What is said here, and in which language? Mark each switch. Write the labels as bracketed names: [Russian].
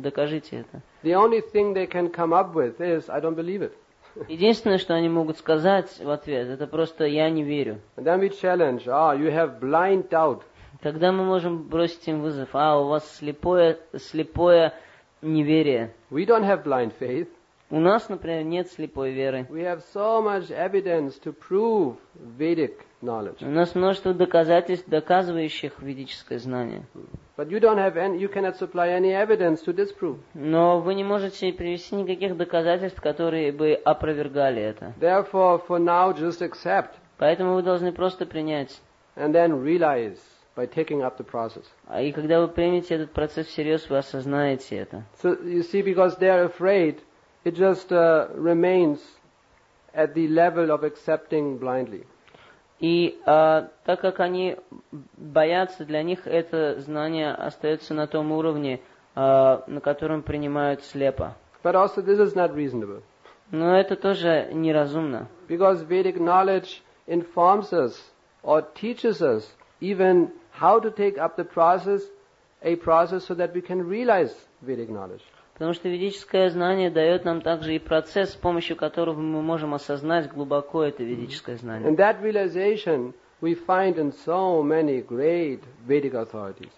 [Russian] Докажите это. [English] The only thing they can come up with is, I don't believe it. [Russian] Единственное, что они могут сказать в ответ, это просто я не верю. [English] And then we challenge, you have blind doubt. [Russian] Тогда мы можем бросить им вызов, у вас слепое неверие. [English] We don't have blind faith. [Russian] У нас, например, нет слепой веры. [English] We have so much evidence to prove Vedic knowledge. [Russian] У нас множество доказательств, доказывающих ведическое знание. [English] But you don't have any, you cannot supply any evidence to disprove. [Russian] Но вы не можете привести никаких доказательств, которые бы опровергали это. [English] Therefore, for now, just accept. [Russian] Поэтому вы должны просто принять. [English] And then realize by taking up the process. [Russian] И когда вы примете этот процесс всерьез, вы осознаете это. [English] So you see, because they are afraid. It just remains at the level of accepting blindly. [Russian] И так как они боятся, для них это знание остается на том уровне, на котором принимают слепо. [English] But also this is not reasonable. [Russian] Но это тоже неразумно. [English] Because Vedic knowledge informs us or teaches us even how to take up the process, a process so that we can realize Vedic knowledge. [Russian] Потому что ведическое знание дает нам также и процесс, с помощью которого мы можем осознать глубоко это ведическое знание. [English] And that realization we find in so many great Vedic authorities.